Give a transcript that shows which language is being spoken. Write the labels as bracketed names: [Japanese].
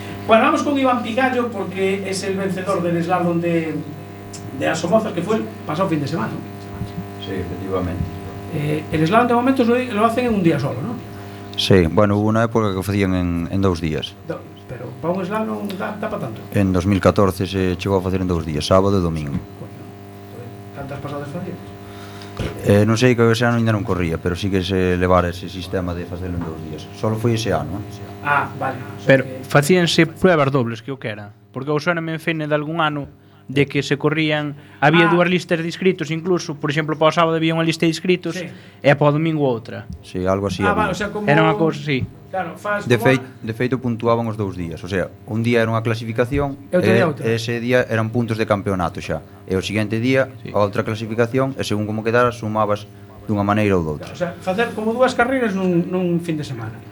[Spanish] Bueno, vamos con Iván Picayo porque es el vencedor del slalom de las Somozas, que fue el pasado fin de semana. Sí, efectivamente. El slalom de momento lo hacen en un día solo, ¿no? Sí, bueno, hubo una época que [Galician] facían en dous días. Pero para un slalom dá para tanto. En 2014 se chegou a facer en dous días, sábado e domingo. Cantas pasadas facías? Non sei, que ese ano ainda non corría, pero sí que se levara ese sistema de facelo en dous días. Solo foi ese ano. Ah, vale. Pero facíanse pruebas dobles, que o que era? Porque eu sona me enfene de algún ano de que se corrían, había dúas listas de inscritos, incluso, por exemplo, para o sábado había unha lista de inscritos, sí. E para o domingo outra. Sí, algo así. Ah, va, o sea, como... Era unha cousa, sí. Claro, de feito puntuaban os dous días, o sea, un día era unha clasificación, e ese día eran puntos de campeonato xa. E o seguinte día, sí. Outra clasificación, e según como quedara sumabas dunha maneira ou doutra. Claro, o sea, facer como dúas carreiras nun fin de semana,